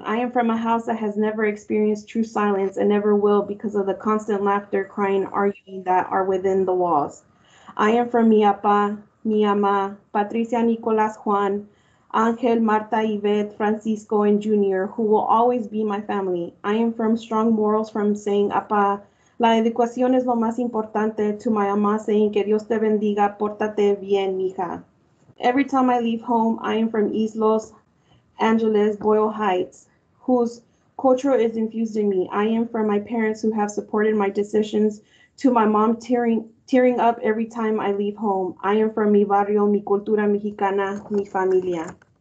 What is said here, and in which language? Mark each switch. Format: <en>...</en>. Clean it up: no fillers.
<en>I am from a house that has never experienced true silence and never will because of the constant laughter, crying, arguing that are within the walls. I am from</en> <es>mi apa, mi ama,</es> <en>Patricia, Nicolas, Juan, Angel, Marta, Yvette, Francisco, and Junior, who will always be my family. I am from strong morals from saying apa,</en> <es>La educación es lo más importante,</es> <en>to my mamá saying,</en> <es>que Dios te bendiga, pórtate bien, mija.</es> <en>Every time I leave home, I am from East Los Angeles, Boyle Heights, whose culture is infused in me. I am from my parents who have supported my decisions, to my mom tearing up every time I leave home. I am from</en> <es>mi barrio, mi cultura mexicana, mi familia.</es>